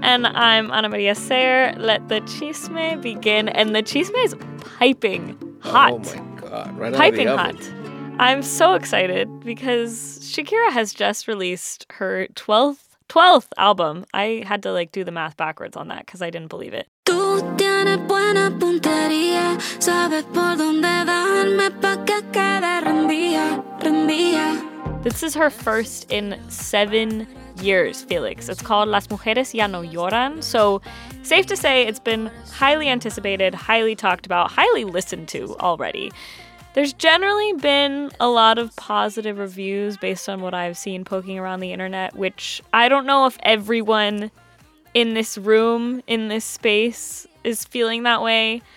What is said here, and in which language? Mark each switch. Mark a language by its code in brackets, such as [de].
[en] And I'm Ana Maria Serre. Let the chisme begin. And the chisme is piping hot. Oh, my God. Right piping out of the oven. Hot. I'm so excited because Shakira has just released her 12th album. I had to like do the math backwards on that because I didn't believe it. [es] Tú tienes buena puntería, sabes por dónde darme pa que cada rendía, rendía. [en] This is her first in 7 years, Felix. It's called Las Mujeres Ya No Lloran. So safe to say it's been highly anticipated, highly talked about, highly listened to already. There's generally been a lot of positive reviews based on what I've seen poking around the internet, which I don't know if everyone in this room, in this space, is feeling that way.